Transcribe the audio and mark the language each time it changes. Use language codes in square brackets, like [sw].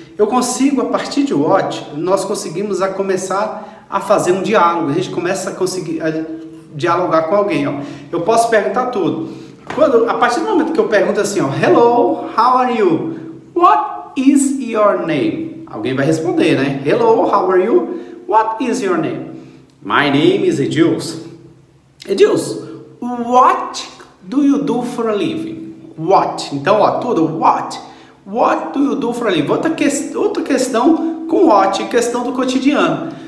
[pt] Eu consigo, a partir de what, nós conseguimos a começar a fazer um diálogo. A gente começa a conseguir a dialogar com alguém, ó. Eu posso perguntar tudo. Quando, a partir do momento que eu pergunto assim, ó, [en] hello, how are you? What is your name? [pt] Alguém vai responder, né? [en] Hello, how are you? What is your name? My name is Edilson. Edilson, what do you do for a living? What? [pt] Então, ó, tudo, [en] what? What do you do for a living? [pt] Outra questão com what, questão do cotidiano.